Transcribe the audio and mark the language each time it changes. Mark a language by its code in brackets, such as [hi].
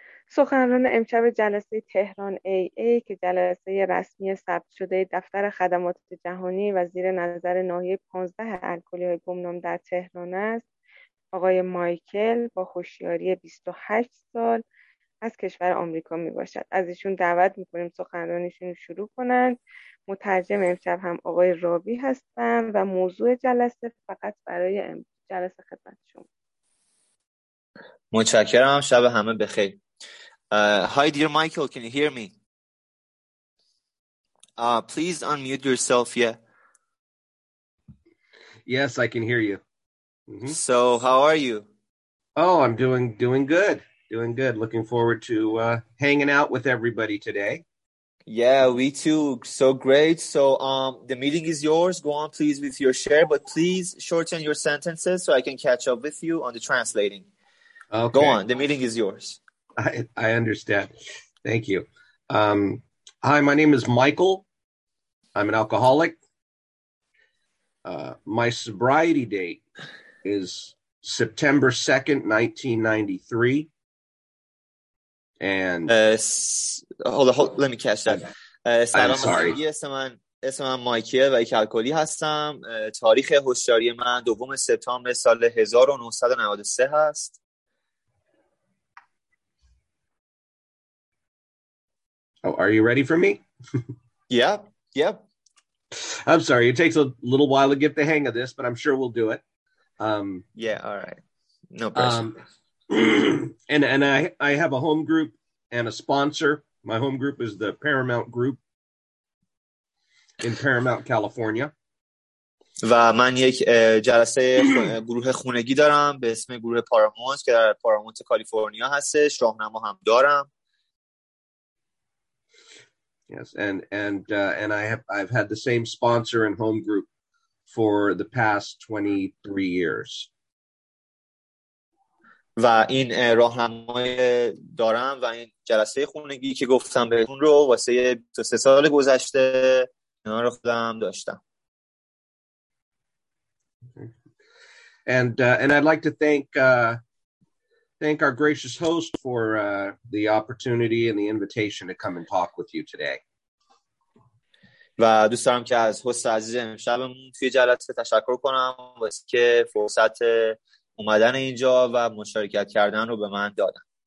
[fa] سخنران امشب جلسه تهران AA که جلسه رسمی ثبت شده دفتر خدمات جهانی و زیر نظر ناحیه 15 الکلی های گمنام در تهران است، آقای مایکل با هوشیاری 28 سال از کشور آمریکا می باشد. از ایشون دعوت می کنیم سخنرانیشون شروع کنند. مترجم امشب هم آقای رابی هستم و موضوع جلسه فقط برای امشب جلسه خدمت شما. متشکرم، شب همه بخیر. [en] Hi dear Michael, can you hear me? Please unmute yourself. Yeah. Yes, I can hear you. Mm-hmm. So, how are you? Oh, I'm doing good. Doing good. Looking forward to hanging out with everybody today. Yeah, we too. So great. So, the meeting is yours. Go on please with your share, but please shorten your sentences so I can catch up with you on the translating. Okay. Go on. The meeting is yours. I understand. Thank you. Hi, my name is Michael. I'm an alcoholic. My sobriety date is September 2nd, 1993. And hold on, let me catch that. I'm sorry. [fa] اسم من مایکل و یک الکلی هستم. تاریخ هوشیاری من دوم سپتامبر سال 1993 هست. [en] Oh, are you ready for me? Yep. I'm sorry. It takes a little while to get the hang of this, but I'm sure we'll do it. Yeah, all right. No pressure. And I have a home group and a sponsor. My home group is the Paramount Group in Paramount, California. [fa] و من یک جلسه گروه خونگی دارم به اسم گروه پارامونت که در پارامونت کالیفرنیا هستش. راهنما هم دارم. [en] Yes, and I've had the same sponsor and home group for the past 23 years. [fa] و این راهنمای دارم و این جلسه خونگی که گفتم بهتون رو واسه 23 سال گذشته اینا رو خودم داشتم. [en] And I'd like to thank our gracious host for the opportunity and the invitation to come and talk with you today. [fa] و دوست دارم که از هست عزیز امشبمون توی جلسه تشکر کنم واسه که فرصت اومدن اینجا و مشارکت کردن رو به من دادن.